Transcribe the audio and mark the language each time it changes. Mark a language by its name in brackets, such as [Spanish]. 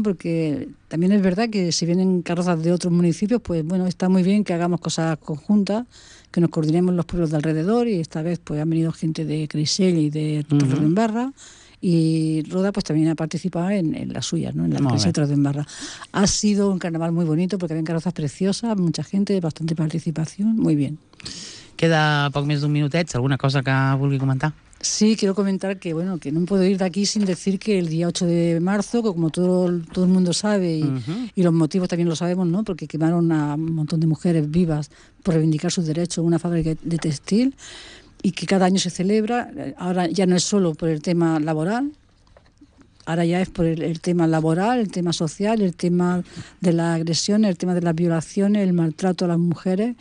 [Spanish] Porque también es verdad que si vienen carrozas de otros municipios, pues bueno, está muy bien que hagamos cosas conjuntas, que nos coordinemos los pueblos de alrededor, y esta vez pues han venido gente de Creixell y de Torredembarra, y Roda pues también ha participado en la suya, ¿no? En la Creixell de Torredembarra. Ha sido un carnaval muy bonito porque había carrozas preciosas, mucha gente, bastante participación, muy bien. [Catalan] Queda poc més d'un minutet, alguna cosa que vulgui comentar. [Spanish] Sí, quiero comentar que bueno, que no puedo ir de aquí sin decir que el día 8 de marzo, como todo el mundo sabe, y los motivos también lo sabemos, ¿no? Porque quemaron a un montón de mujeres vivas por reivindicar sus derechos en una fábrica de textil, y que cada año se celebra. Ahora ya no es solo por el tema laboral, ahora ya es por el tema laboral, el tema social, el tema de la agresión, el tema de las violaciones, el maltrato a las mujeres.